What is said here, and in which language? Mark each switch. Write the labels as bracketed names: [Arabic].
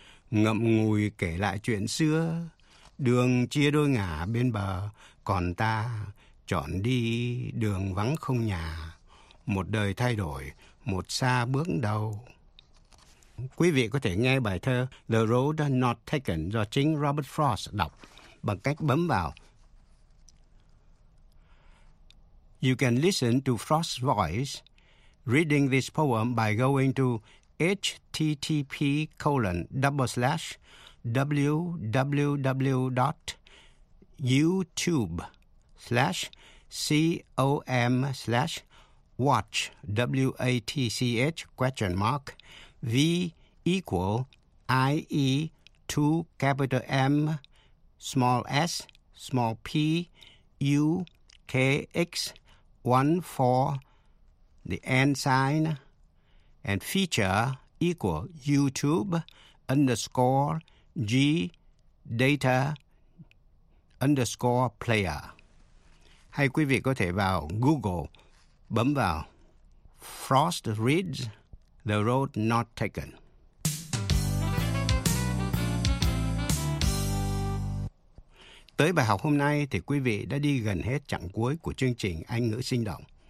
[Vietnamese] Ngậm ngùi kể lại chuyện xưa, đường chia đôi ngả bên bờ, còn ta chọn đi đường vắng không nhà. Một đời thay đổi, một xa bước đầu. Quý vị có thể nghe bài thơ The Road Not Taken do chính Robert Frost đọc bằng cách bấm vào. [English] You can listen to Frost's voice reading this poem by going to http://www.youtube/com/watch=TCH?V=IE2Mpukx14 and feature equal YouTube_G_data_player. [Vietnamese] Hay quý vị có thể vào Google, bấm vào Frost Reads The Road Not Taken. Tới bài học hôm nay thì quý vị đã đi gần hết chặng cuối của chương trình Anh ngữ sinh động.